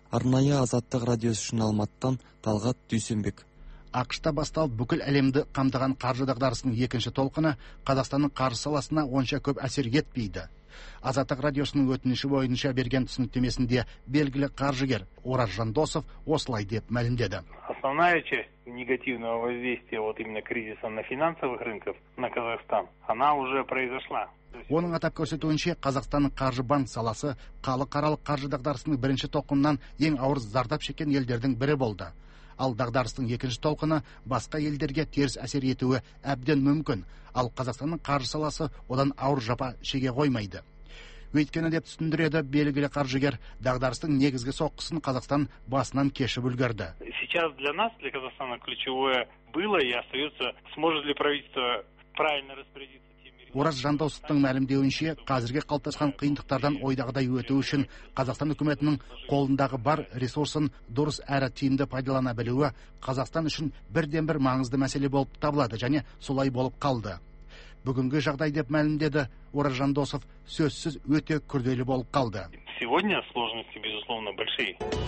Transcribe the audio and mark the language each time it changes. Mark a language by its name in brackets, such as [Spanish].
[Kazakh] Арнайы Азаттық радиосы үшін Алматыдан Талғат Дүйсенбек. Ақшта басталып, бүкіл әлемді қамдыған қаржы дағдарысының екінші толқыны Қазақстанның қаржы саласына онша көп әсер етпейді. Азаттық радиосының өтініші бойынша берген түсініктемесінде белгілі қаржыгер Ораз Жандосов осылай деп мәлімдеді. [Russian] Основная часть негативного воздействия вот именно кризиса на финансовых рынках на Казахстан, она уже произошла. [Kazakh] Оның атап көрсетуінше, Қазақстанның қаржы банк саласы халықаралық қаржы дағдарысының бірінші толқынынан ең ауыр зардап шеккен елдердің бірі болды. Ал дағдарыстың екінші толқыны басқа елдерге теріс әсер етуі әбден мүмкін. Ал Қазақстанның қаржы саласы одан ауыр жапа шеге қоймайды. Өйткені деп түсіндіреді белгілі қаржыгер, дағдарыстың негізгі соққысын Қазақстан басынан кешіп үлгерді. [Russian] Сейчас для нас, для Казахстана ключевое было и остается, сможет ли правительство правильно распорядиться. [Kazakh] Ораз Жандосовтың мәлімдеуінше, қазіргі қалыптасқан қиындықтардан ойдағыдай өту үшін Қазақстан үкіметінің қолындағы бар ресурсын дұрыс әрі тиімді пайдалана білуі Қазақстан үшін бірден бір маңызды мәселе болып табылады және солай болып қалды. Бүгінгі жағдай деп мәлімдеді Ораз Жандосов, сөзсіз өте күрделі болып қалды. [Russian] Сегодня сложности, безусловно, большие.